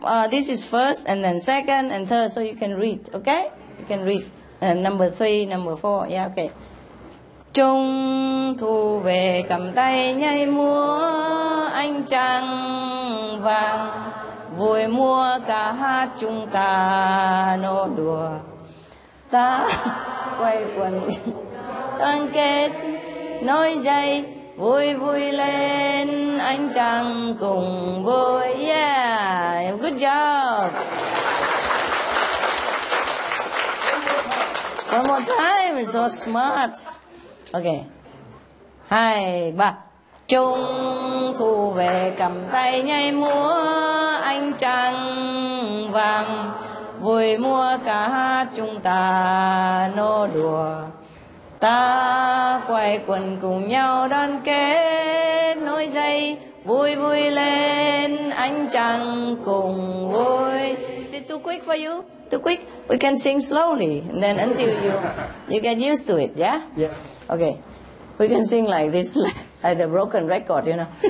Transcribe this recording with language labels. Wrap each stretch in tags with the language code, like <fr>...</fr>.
<en>This is first and then second and third, so you can read, okay? You can read. Number three, number four, yeah, okay.</en> <vi>Trung thu về cầm tay nhảy múa, ánh trăng vàng. Vui múa ca hát chúng ta nô đùa. Ta quay quần đoàn kết nối dây. Vui vui lên ánh trăng cùng vui.</vi> <en>Yeah, good job. One more time, so smart. Okay.</en> <vi>Hai ba. Trung thu về cầm tay nhảy múa, ánh trăng vàng. Vui múa ca hát chúng ta nô đùa. Ta quay quần cùng nhau đoàn kết nối dây. Vui vui lên ánh trăng cùng vui.</vi> <en>Is it too quick for you? Too quick? We can sing slowly, and then until you get used to it, yeah? Yeah. Okay. We can sing like this, like the broken record, you know?</en>